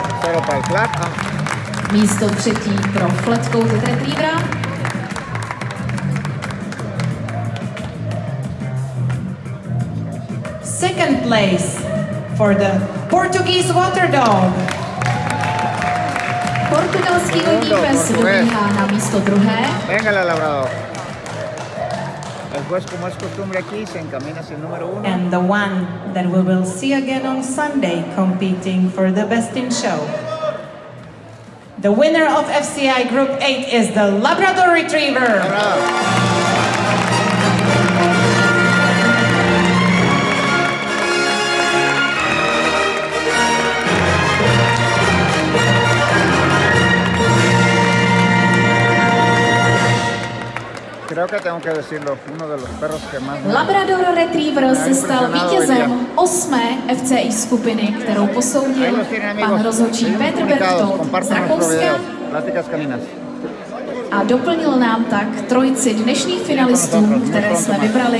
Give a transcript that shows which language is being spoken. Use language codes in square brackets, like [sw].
[es] Solo para el flat. [cs] Místo třetí pro flat-coated retrievera. [en] Second place for the Portuguese water dog. [cs] Portugalský vodní pes dobíhá na místo druhé. [es] Venga, la labrador. El juez, como es costumbre aquí, se encamina hacia el número uno. [en] And the one that we will see again on Sunday competing for the best in show. The winner of FCI Group 8 is the Labrador Retriever. [es] Bravo. creo que tengo que decirlo, uno de los perros que más... [cs] Labrador Retriever se stal vítězem osmé FCI skupiny, kterou posoudil pan rozhodčí Petr Berchtold z Rakouska. [es] Pláticas caninas. [cs] A doplnil nám tak trojici dnešních finalistů, které jsme vybrali.